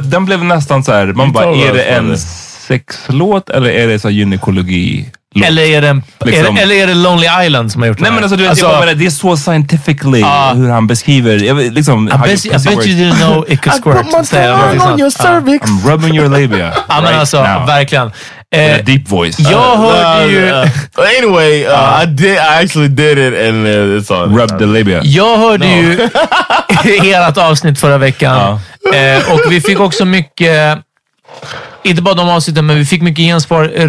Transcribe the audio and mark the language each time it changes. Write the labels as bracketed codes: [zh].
[sv] Den blev nästan så här. Man bara, är det en sexlåt eller är det så gynekologi? Eller är det Lonely Island som har gjort det? Nej, men alltså, du vet, jag menar, [en] this was scientifically [sv] hur han beskriver, liksom, [en] I bet you didn't know it could squirt. I put my tongue on your cervix. I'm rubbing your labia. [sv] Ja, men alltså, verkligen. [en] With a deep voice. [sv] Jag hörde ju... [en] Anyway, I actually did it and it's on. Rubbed the labia. [sv] Jag hörde ju hela ett avsnitt förra veckan. Och vi fick också mycket... Inte bara de avsnitten, men vi fick mycket gensvar.